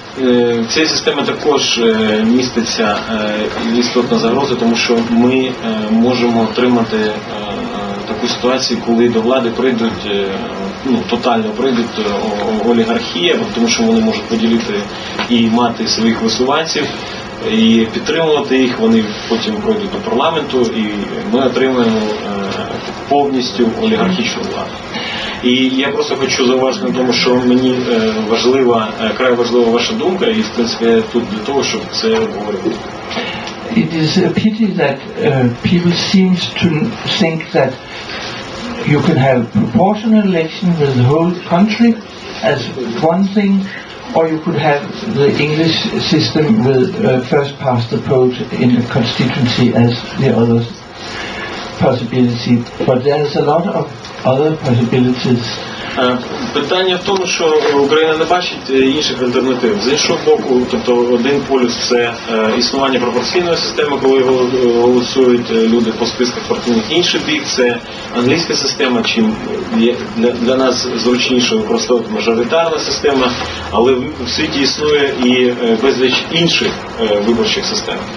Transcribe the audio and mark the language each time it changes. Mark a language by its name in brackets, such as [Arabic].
[Ukrainian] В цій системі також міститься істотна загроза, тому що ми можемо отримати таку ситуацію, коли до влади прийдуть тотально олігархія, тому що вони можуть поділити і мати своїх висуванців і підтримувати їх, вони потім пройдуть до парламенту, і ми отримаємо повністю олігархічну владу. І я просто хочу зауважити на тому, що мені важлива, край важлива ваша думка, і в принципі я тут для того, щоб це обговорити. [English] It is a pity that people seem to think that you can have proportional election with the whole country as one thing, or you could have the English system with first past the post in the constituency as the other possibility. But there's a lot of other possibilities. [Ukrainian] Питання в тому, що Україна не бачить інших альтернатив. З іншого боку, тобто один полюс – це існування пропорційної системи, коли голосують люди по списках партійних. Інший бік – це англійська система, чим є для нас зручніше використовувати мажоритарна система, але в світі існує і безліч інших виборчих систем.